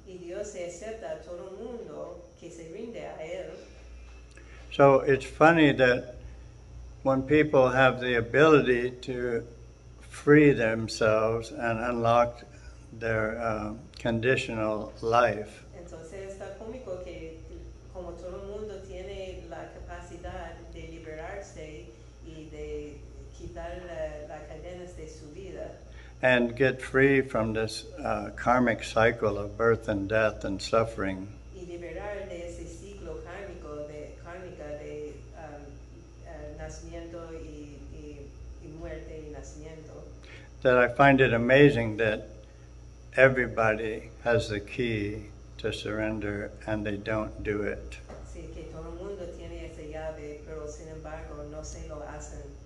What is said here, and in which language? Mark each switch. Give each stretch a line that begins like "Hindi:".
Spanish: Y Dios acepta a todo mundo que se rinde a él.
English: So it's funny that when people have the ability to free themselves and unlock their conditional life.
Spanish: Entonces está cómico que como todo mundo tiene la capacidad de liberarse y de quitar las cadenas de su vida.
English: And get free from this karmic cycle of birth and death and suffering.
Spanish: Y liberar de ese ciclo kármico de nacimiento y muerte y nacimiento.
English: That I find it amazing that everybody has the key to surrender and they don't do it.
Spanish: Sí, que todo mundo tiene esa llave, pero sin embargo no se lo hacen.